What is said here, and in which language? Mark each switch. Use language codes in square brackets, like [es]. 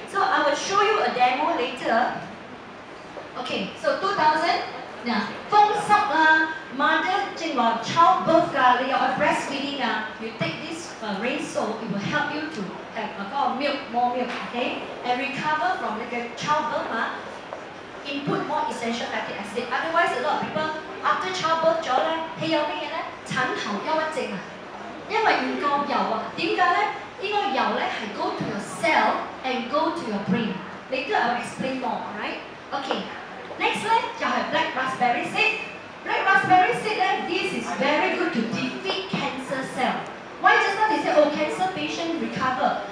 [en] So I will show you a demo later. Okay, so 2000, now, 丰盛, mother, childbirth, your breastfeeding, you take this rain soul, it will help you to have a lot of milk, more milk, okay? And recover from the childbirth. Input more essential fatty acid. Otherwise, a lot of people after childbirth [yue] 咗咧，佢有咩嘢咧？產後憂鬱症啊，因為唔夠油啊。點解咧？呢個油咧係 [en] go to your cell and go to your brain. Later I'll explain more. Right? Okay. Next [yue] 咧就係 [en] black raspberry seed. Black raspberry seed 咧 ，this is very good to defeat cancer cell. Why just now they say oh cancer patient recover?